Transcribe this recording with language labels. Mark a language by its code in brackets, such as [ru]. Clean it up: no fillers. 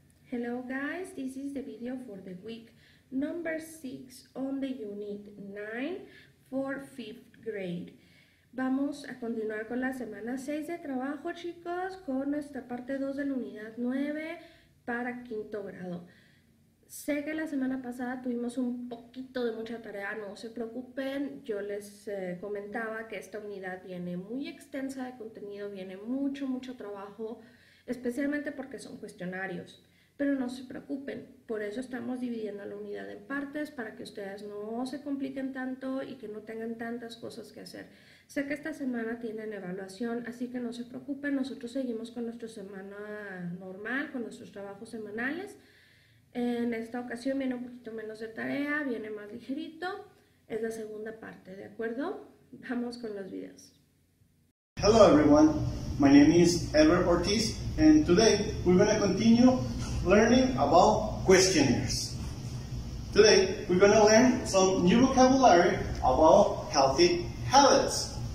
[en] Hello guys, this is the video for the week number 6 on the unit 9 for 5th grade. [es] Vamos a continuar con la semana 6 de trabajo, chicos, con nuestra parte 2 de la unidad 9 para quinto grado. Sé que la semana pasada tuvimos un poquito de mucha tarea, no se preocupen, yo les comentaba que esta unidad viene muy extensa de contenido, viene mucho, mucho trabajo, especialmente porque son cuestionarios. Pero no se preocupen, por eso estamos dividiendo la unidad en partes, para que ustedes no se compliquen tanto y que no tengan tantas cosas que hacer. Sé que esta semana tienen evaluación, así que no se preocupen, nosotros seguimos con nuestra semana normal, con nuestros trabajos semanales. En esta ocasión viene un poquito menos de tarea, viene más ligerito, es la segunda parte, ¿de acuerdo? Vamos con los videos. [en] Hello everyone, my name is Edward Ortiz, and today we're going to continue learning about questionnaires. Today, we're going to learn some new vocabulary about healthy habits.